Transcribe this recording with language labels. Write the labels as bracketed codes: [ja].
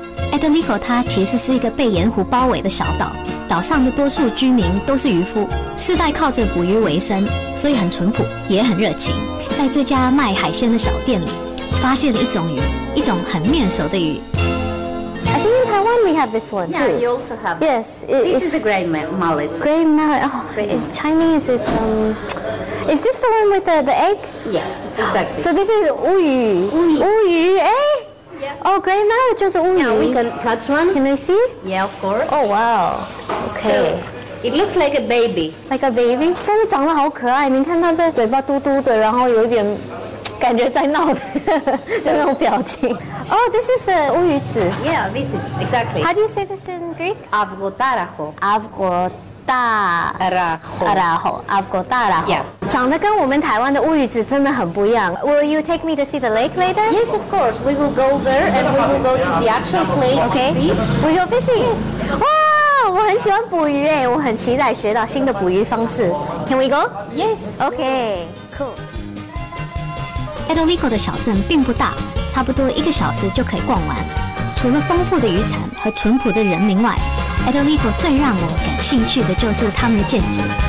[zh] Edolico 它其实是一个被盐湖包围的小岛，岛上的多数居民都是渔夫，世代靠着捕鱼为生，所以很淳朴，也很热情。在这家卖海鲜的小店里，发现了一种鱼，一种很面熟的鱼。 [en] I think in Taiwan we have this one too. Yeah, you also have. Yes, this is a gray mullet. Gray mullet. Oh, in Chinese is is this the one with the egg? Yes, exactly. So this is 乌鱼。 [zh] 乌鱼，乌鱼，哎。 [en] Yeah. Oh, gray mullet [zh] 就是乌鱼。 [en] Yeah, we can cut one. Can I see? Yeah, of course. Oh wow. Okay. It looks like a baby. Like a baby? [zh] 真的长得好可爱，你看它的嘴巴嘟嘟的，然后有一点感觉在闹的那种表情。 [en] Oh, this is the 乌鱼子。 Yeah, this is exactly. How do you say this in Greek? Avgotarajo. Avgotarajo. Arajo. Avgotarajo. Yeah. [zh] 长得跟我们台湾的乌鱼子真的很不一样。 [en] Will you take me to see the lake later? Yes, of course. We will go there and we will go to the actual place. Okay. We go fishing. Yes. [zh] 哇，我很喜欢捕鱼哎，我很期待学到新的捕鱼方式。 [en] Can we go? Yes. Okay. Cool. [zh] Edolico 的小镇并不大，差不多一个小时就可以逛完。除了丰富的渔产和淳朴的人民外 Edolito 最让我感兴趣的就是他们的建筑，